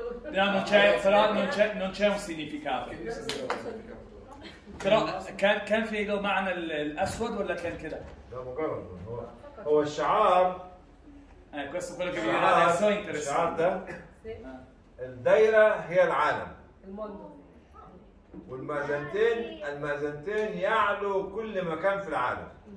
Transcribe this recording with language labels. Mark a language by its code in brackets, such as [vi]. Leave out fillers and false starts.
[it] No, non c'è, però non c'è un significato. Però [ar] كان في له معنى الاسود ولا كان كده؟ لا مجرد هو الشعار. [it] Questo quello che mi viene adesso è interessante. [ar] الشعار ده الدايرة هي العالم. والمازنتين يعلو كل مكان في العالم.